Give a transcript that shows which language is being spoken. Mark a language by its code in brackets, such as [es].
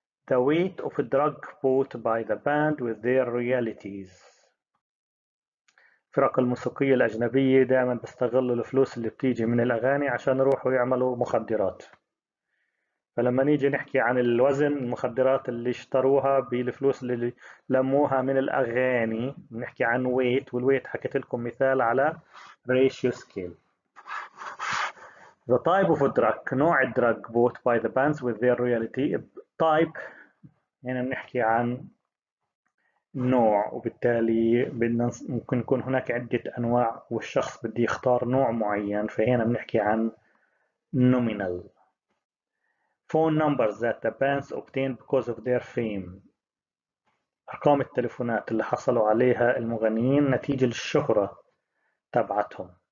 [en] The weight of a drug bought by the band with their royalties، [ar] الفرق الموسيقية الأجنبية دائما بيستغلوا الفلوس اللي بتيجي من الأغاني عشان يروحوا يعملوا مخدرات. فلما نيجي نحكي عن الوزن، المخدرات اللي اشتروها بالفلوس اللي لموها من الأغاني، نحكي عن ويت. والويت حكيت لكم مثال على ratio scale. [en] The type of a drug، [ar] نوع الدرج [en] bought by the bands with their royalty. [ar] type يعني بنحكي عن نوع، وبالتالي بدنا ممكن يكون هناك عدة أنواع والشخص بدي يختار نوع معين، فهنا بنحكي عن nominal. [en] Phone numbers that the bands obtained because of their fame، [ar] أرقام التلفونات اللي حصلوا عليها المغنيين نتيجة للشهرة تبعتهم.